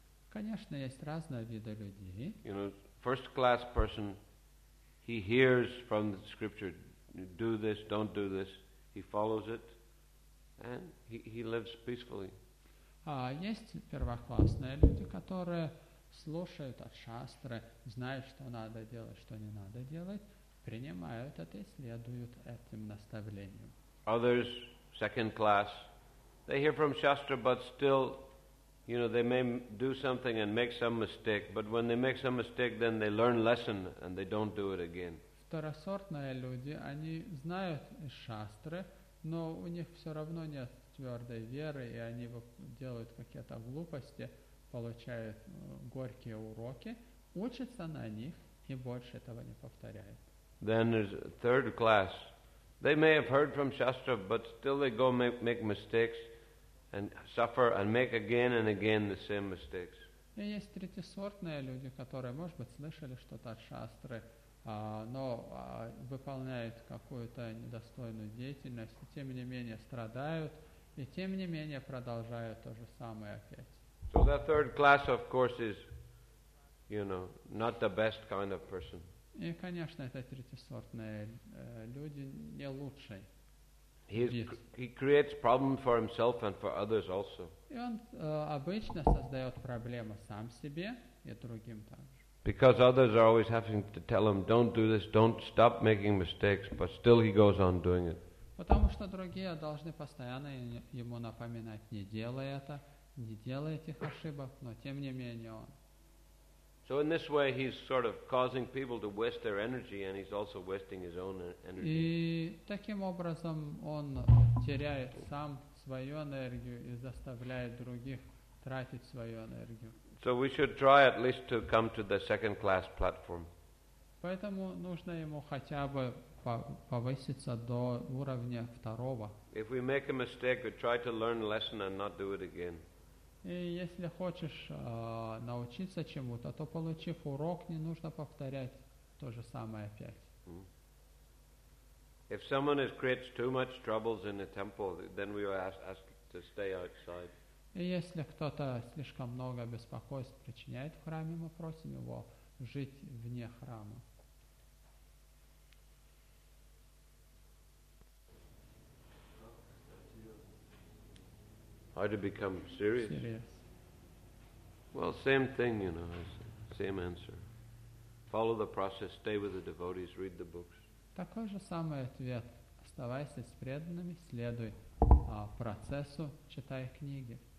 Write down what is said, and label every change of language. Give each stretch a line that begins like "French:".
Russian: Конечно, есть разные виды людей.
English: You know, first class person, he hears from the scripture, do this, don't do this, he follows it, and he lives peacefully.
Russian: Есть первоклассные люди, которые слушают от шастры, знают, что надо делать, что не надо делать, принимают это и следуют этим наставлениям.
English: Others, second class, they hear from shastra, but still, you know, they may do something and make some mistake, but when they make some mistake, then they learn lesson and they don't do it again.
Russian: Второсортные люди, они знают шастры, но у них все равно нет твердой веры, и они делают какие-то глупости, получают горькие уроки, учатся на них и больше этого не повторяют.
English: Then there's a third class. They may have heard from shastra, but still they go make mistakes and suffer and make again and again the same mistakes.
Russian: И есть третьесортные люди, которые, может быть, слышали что-то от шастры, но выполняют какую-то недостойную деятельность, и тем не менее страдают, и тем не менее продолжают то же самое опять.
English: So that third class, of course, is, you know, not the best kind of person.
Russian: И, конечно, это третьесортные люди не лучшие.
English: He creates problems for himself and for others also.
Russian: И он обычно создает проблемы сам себе и другим также.
English: Because others are always having to tell him, don't do this, don't stop making mistakes, but still he goes on doing it.
Russian: Потому что другие должны постоянно ему напоминать, не делай это, не делай этих ошибок, но тем не менее он.
English: So in this way he's sort of causing people to waste their energy and he's also wasting his own energy.
Russian: И таким образом он теряет сам свою энергию и заставляет других тратить свою энергию.
English: So we should try at least to come to the second class platform.
Russian: Поэтому нужно ему хотя бы повыситься до уровня второго.
English: If we make a mistake, we try to learn a lesson and not do it again.
Russian: И если хочешь научиться чему-то, то получив урок, не нужно повторять то же самое опять.
English: If someone creates too much troubles in the temple, then we ask to stay outside.
Russian: И если кто-то слишком много беспокойств причиняет в храме, мы просим его жить вне храма.
English: How to become serious? Well, same thing, you know, same answer. Follow the process, stay with the devotees, read the books.
Russian: Такой же самый ответ. Оставайся с преданными, следуй процессу, читай книги.